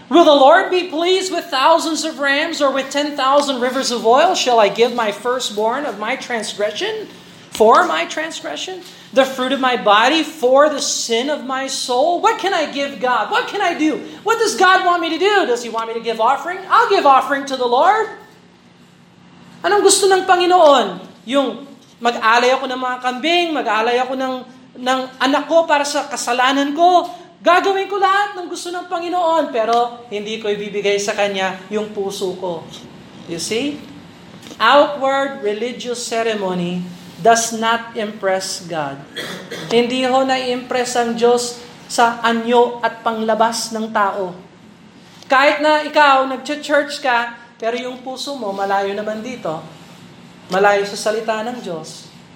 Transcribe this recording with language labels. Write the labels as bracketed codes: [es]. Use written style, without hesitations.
[en] Will the Lord be pleased with thousands of rams or with 10,000 rivers of oil? Shall I give my firstborn of my transgression? For my transgression, the fruit of my body, for the sin of my soul? What can I give God? What can I do? What does God want me to do? Does He want me to give offering? I'll give offering to the Lord. [tl] Anong gusto ng Panginoon? Yung mag-alay ako ng mga kambing, mag-alay ako ng anak ko para sa kasalanan ko. Gagawin ko lahat ng gusto ng Panginoon, pero hindi ko ibibigay sa Kanya yung puso ko. [en] You see? Outward religious ceremony does not impress God. [tl] Hindi ho na-impress ang Diyos sa anyo at panglabas ng tao. Kahit na ikaw, nag-church ka, pero yung puso mo, malayo naman dito. Malayo sa salita ng Diyos.